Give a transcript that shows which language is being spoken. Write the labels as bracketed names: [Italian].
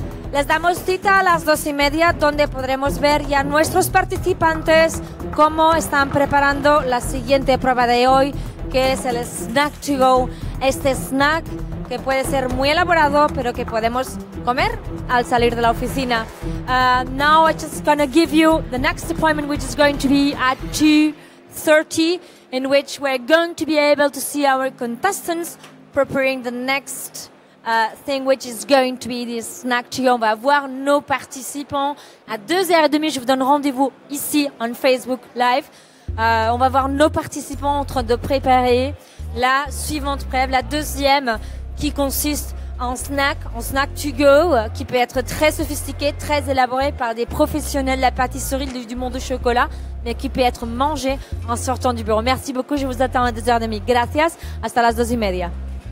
[Spanish] Les damos cita a las 2:30, donde podremos ver ya nuestros participantes cómo están preparando la siguiente prueba de hoy, que es el Snack to Go. Este snack que puede ser muy elaborado, pero que podemos comer al salir de la oficina. [English] Now I'm just going to give you the next appointment, which is going to be at 2:30, in which we're going to be able to see our contestants preparing the next thing, which is going to be this snack to go. [French] On va voir nos participants à 2:30. Je vous donne rendez-vous ici on Facebook Live. On va voir nos participants en train de préparer la suivante preuve, la deuxième, qui consiste en snack to go, qui peut être très sophistiqué, très élaboré par des professionnels de la pâtisserie du monde du chocolat, mais qui peut être mangé en sortant du bureau. Merci beaucoup, je vous attends à 2:30. [Spanish] Gracias, hasta las 2:30.